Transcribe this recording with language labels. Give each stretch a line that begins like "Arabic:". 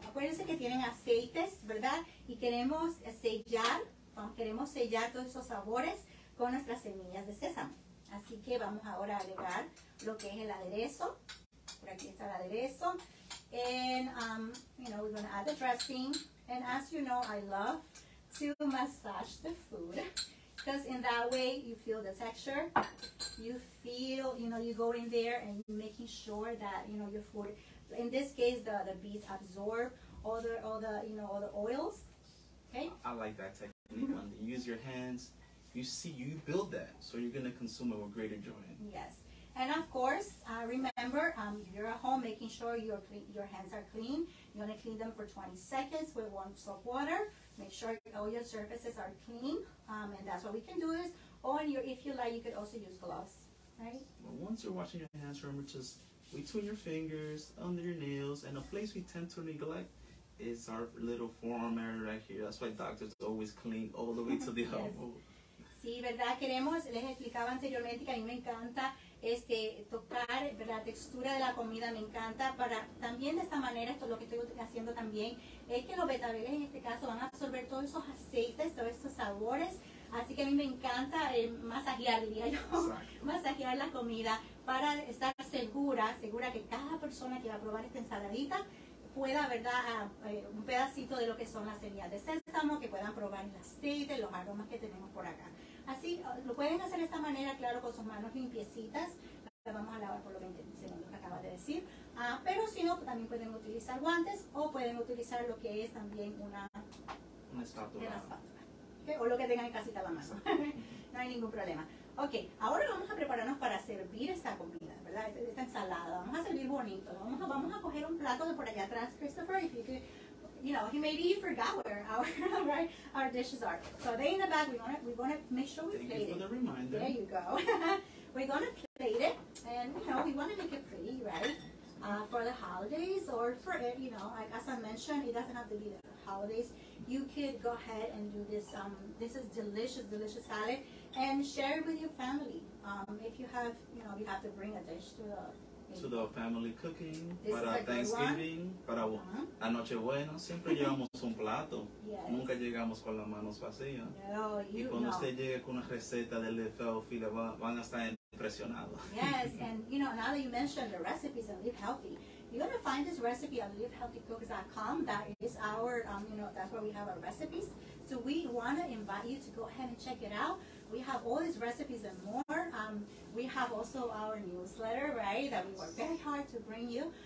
Spanish: Acuérdense que tienen aceites, ¿verdad? Y queremos sellar. Queremos sellar todos esos sabores con nuestras semillas de sésamo. Así que vamos ahora a agregar lo que es el aderezo. Por aquí está el aderezo.
English: And, we're going to add the dressing. And as you know, I love to massage the food. Because in that way, you feel the texture. You feel, you go in there and you're making sure that, your food, in this case, the beets absorb all the oils. Okay? I like that texture. You use your hands, you build that, so you're going to consume it with greater joy. Yes. And of course, remember, if you're at home, making sure your hands are clean. You want to clean them for 20 seconds with warm soap water. Make sure all your surfaces are clean. And that's what we can do is, if you like, you could also use gloves, right? Well, once you're washing your hands, remember just between your fingers, under your nails, and a place we tend to neglect is our little forearm area right here. That's why doctors always clean all the way to the elbow.
Spanish: Sí, ¿verdad? Queremos, les explicaba anteriormente que a mí me encanta tocar, ¿verdad? La textura de la comida me encanta. Para, también de esta manera, esto es lo que estoy haciendo también, es que los betabeles en este caso van a absorber todos esos aceites, todos estos sabores. Así que a mí me encanta masajear, diría yo, masajear la comida para estar segura que cada persona que va a probar esta ensaladita pueda, ¿verdad? Un pedacito de lo que son las semillas de sésamo, que puedan probar el aceite, los aromas que tenemos por acá. Así, lo pueden hacer de esta manera, claro, con sus manos limpiecitas. La vamos a lavar por los 20 segundos que acaba de decir. Pero si no, también pueden utilizar guantes o pueden utilizar lo que es también una espátula. Una espátula. ¿Okay? O lo que tengan en casita a la mano. No hay ningún problema. Ok, ahora vamos a prepararnos para servir esta comida, ¿verdad? Esta ensalada. Vamos a servir bonito. Vamos a coger un plato de por allá atrás, Christopher,
English: if you could. You know, maybe he forgot where our dishes are. So they in the back. We're gonna make sure we plate it. Thank you for the reminder. There you go. We're gonna plate it, and you know, we want to make it pretty, right? For the holidays or for it, you know, like as I mentioned, it doesn't have to be the holidays. You could go ahead and do this. This is delicious salad, and share it with your family. If you have, you know, you have to bring a dish to the. To the family cooking,
Spanish: para Thanksgiving, para anoche buena, siempre llevamos un plato.
English: Yes.
Spanish: Nunca llegamos con las manos vacías. No, y cuando
English: know.
Spanish: Usted llegue con una receta del healthy, van a estar impresionados.
English: Yes, and you know, now that you mentioned the recipes and live healthy, you're going to find this recipe on livehealthycooks.com. That is our, you know, that's where we have our recipes. So we want to invite you to go ahead and check it out. We have all these recipes and more. We have also our newsletter, right, that we work very hard to bring you.